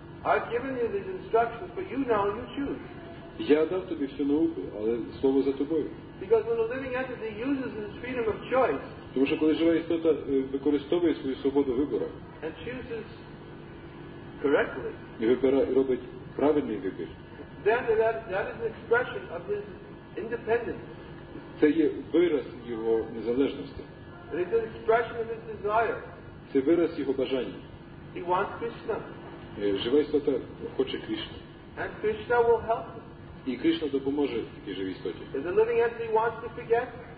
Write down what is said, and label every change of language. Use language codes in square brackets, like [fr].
[en] I've given you these instructions, but you now you choose. [uk] Я дав тобі всю науку, але слово за тобою. [en] Because when the living entity uses his freedom of choice. [uk] Тому що коли жива істота використовує свою свободу вибору. [en] And chooses correctly. [uk] І вибирає, робить правильний вибір. [en] Then that is an expression of his independence. [uk] Це є вираз його незалежності. [en] It is an expression of his desire. [uk] Це вираз його бажання. [en] He wants Krishna. [uk] Жива істота хоче Кришну. [en] And Krishna will help him. [uk] І Кришна допоможе такій живій істоті. [en] If the living entity wants to forget.